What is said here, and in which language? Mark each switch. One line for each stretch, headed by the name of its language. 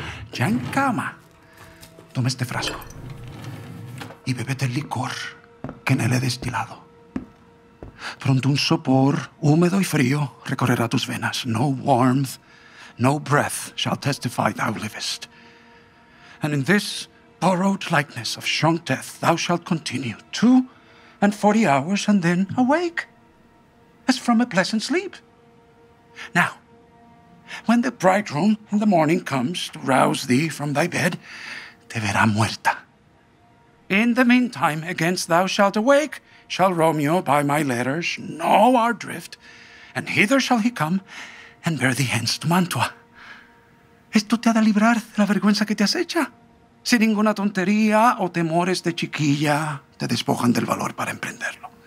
Spanish: Ya en cama, toma este frasco y bebete el licor que en él he destilado. Pronto un sopor húmedo y frío recorrerá tus venas.
English: No warmth, no breath shall testify thou livest. And in this borrowed likeness of shrunk death thou shalt continue 2 and 40 hours and then awake as from a pleasant sleep. Now, when the bridegroom in the morning comes to rouse thee from thy bed,
Spanish: te verá muerta.
English: In the meantime, against thou shalt awake, shall Romeo by my letters know our drift, and hither shall he come and bear thee hence to Mantua.
Spanish: Esto te ha de librar de la vergüenza que te acecha. Si ninguna tontería o temores de chiquilla te despojan del valor para emprenderlo.